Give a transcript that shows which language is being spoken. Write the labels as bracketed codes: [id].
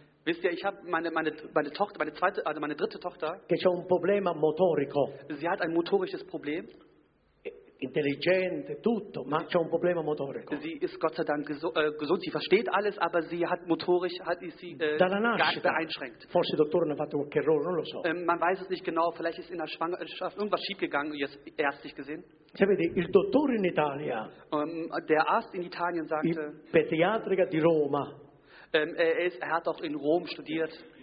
[de] Wisst ihr, ich habe meine Tochter, meine zweite, also meine dritte Tochter. [it] Che c'ha un problema motorico. [de] Sie hat ein motorisches Problem. [it] Intelligente, tutto, ma c'ha un problema motorico. [de] Sie ist Gott sei Dank gesund, sie versteht alles, aber sie hat motorisch, hat sie [it] dalla nascita, [de] beeinschränkt. [it] Forse il dottore ne ha fatto qualche errore, non lo so. [de] Man weiß es nicht genau, vielleicht ist in der Schwangerschaft irgendwas schiefgegangen, jetzt ärztlich gesehen. [it] Sapete, il dottore in Italia, [de] der Arzt in Italien sagte, [it] il pediatrica di Roma, [de] er hat auch in Rom studiert,